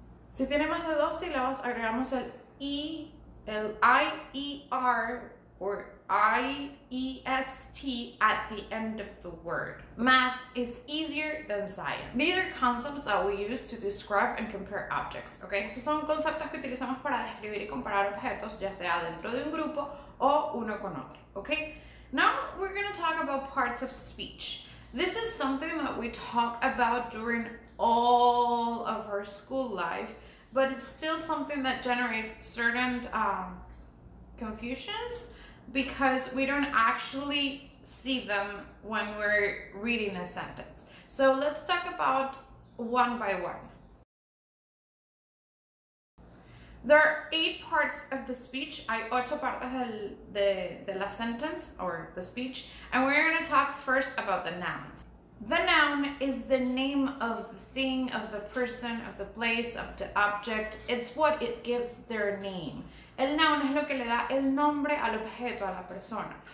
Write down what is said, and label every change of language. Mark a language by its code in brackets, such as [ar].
[es] Si tiene más de dos sílabas, agregamos el e, el i-e-r [en] or i-e-s-t at the end of the word. Math is easier than science. These are concepts that we use to describe and compare objects, okay? [es] Estos son conceptos que utilizamos para describir y comparar objetos, ya sea dentro de un grupo o uno con otro, okay? [en] Now we're gonna talk about parts of speech. This is something that we talk about during all of our school life, but it's still something that generates certain confusions because we don't actually see them when we're reading a sentence. So let's talk about one by one. There are eight parts of the speech, [es] hay ocho partes de la sentence [en] or the speech, and we're gonna talk first about the nouns. The noun is the name of the thing, of the person, of the place, of the object. It's what it gives their name. [es] El noun es lo que le da el nombre al objeto, a la persona.